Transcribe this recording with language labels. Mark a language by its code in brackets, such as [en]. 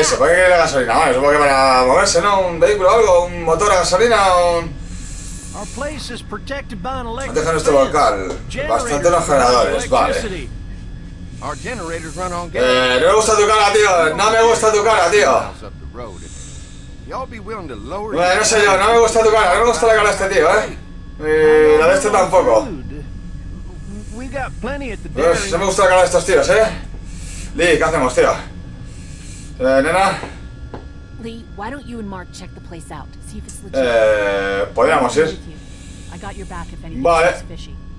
[es] Eso, ¿por qué quiere la gasolina? Bueno, supongo que para moverse, ¿no? Un vehículo o algo, un motor a gasolina, un. [en] Our place is protected by an electric. [es] Deja nuestro local. Bastante los generadores, vale. [en] Our generators run on gas. [es] No me gusta tu cara, tío. No me gusta tu cara, tío. Bueno, no sé yo, no me gusta tu cara, no me gusta la cara de este tío, Y la de este tampoco. Pues no me gusta la cara de estos tíos, Lee, ¿qué hacemos, tío? Nena. [en] Lee, why don't you and Mark check the place out? See if it's legit. [es] Podríamos ir. [en] I got your back if anything's fishy.